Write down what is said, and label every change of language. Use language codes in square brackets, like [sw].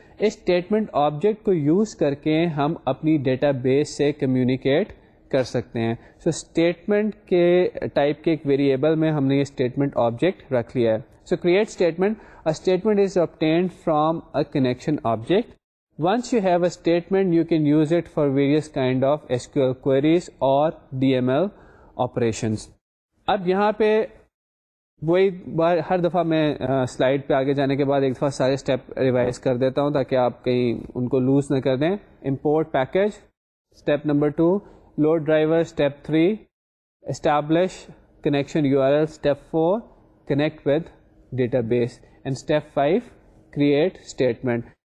[ur] اس statement object کو use کر کے ہم اپنی ڈیٹا بیس سے کمیونیکیٹ کر سکتے ہیں. سو اسٹیٹمنٹ کے ٹائپ کے ایک ویریبل میں ہم نے یہ اسٹیٹمنٹ آبجیکٹ رکھ لیا ہے. [en] So create statement, a statement is obtained from a connection object. Once you have a statement, you can use it for various kind of SQL queries or DML operations. [ur] اب یہاں پہ وہی بار ہر دفعہ میں سلائڈ پہ آگے جانے کے بعد ایک دفعہ سارے اسٹیپ ریوائز کر دیتا ہوں تاکہ آپ کہیں ان کو لوز نہ کر دیں. [en] Import package step number two, load driver step three, establish connection U R L step four, connect with database and step five create statement.